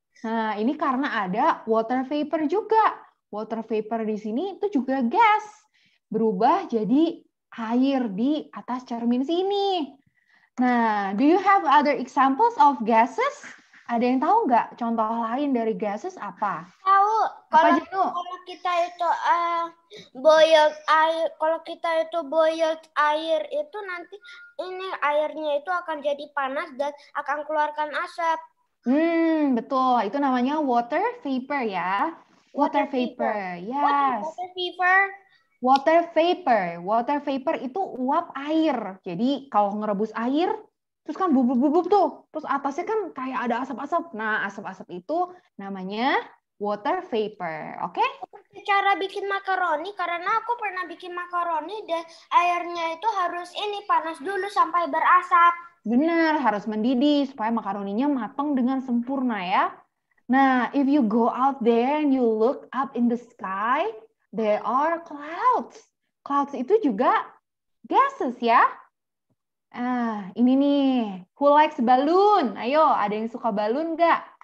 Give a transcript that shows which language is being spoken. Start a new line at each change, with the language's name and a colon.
Indonesian: Nah, ini karena ada water vapor juga. Water vapor di sini itu juga gas. Berubah jadi air di atas cermin sini.
English: Nah, do you have other examples of gases?
Indonesian: Ada yang tahu nggak contoh lain dari gases apa? Tahu. Kalau kita itu boil air, kalau kita itu boil air itu nanti ini airnya itu akan jadi panas dan akan keluarkan asap. Betul. Itu namanya water vapor ya. Water vapor. Yes.
English: Water vapor.
Indonesian: Water vapor. Water vapor itu uap air. Jadi kalau ngerebus air, terus kan bubuk-bubuk tuh. Terus atasnya kan kayak ada asap-asap. Nah, asap-asap itu namanya water vapor, oke?
English: Okay?
Indonesian: Cara bikin makaroni, karena aku pernah bikin makaroni dan airnya itu harus ini panas dulu sampai berasap. Benar, harus mendidih supaya makaroninya matang dengan sempurna ya.
English: Nah, if you go out there and you look up in the sky, there are clouds.
Indonesian: Clouds itu juga gases ya. Ah, ini nih,
English: who likes balloon?
Indonesian: Ayo, ada yang suka balloon nggak?